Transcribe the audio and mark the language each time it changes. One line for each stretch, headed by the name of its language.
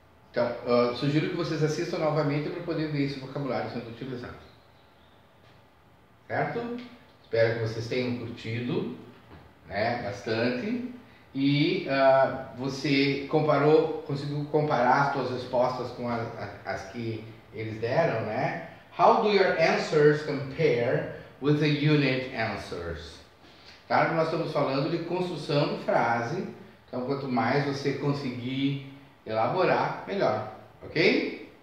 Portuguese: Então, sugiro que vocês assistam novamente para poder ver esse vocabulário sendo utilizado. Certo? Espero que vocês tenham curtido, né, bastante. E você conseguiu comparar as suas respostas com as que eles deram, né?
English: How do your answers compare with the unit answers?
Portuguese: Claro, nós estamos falando de construção de frase. Então, quanto mais você conseguir elaborar, melhor, ok?